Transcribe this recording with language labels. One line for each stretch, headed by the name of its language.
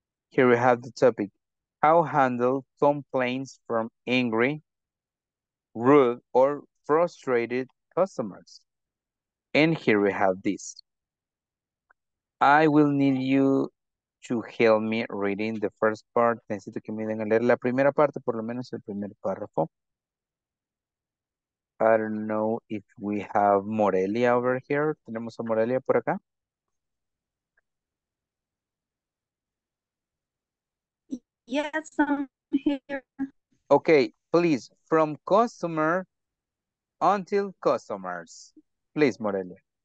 English: Here we have the topic. How handle complaints from angry, rude, or frustrated customers? And here we have this. I will need you to help me reading the first part.
Spanish: Necesito que me den a leer la primera parte, por lo menos el primer párrafo.
English: I don't know if we have Morelia over here.
Spanish: ¿Tenemos a Morelia por acá?
English: Yes, I'm here. Okay, please, from customer until customers. Please, Morelia.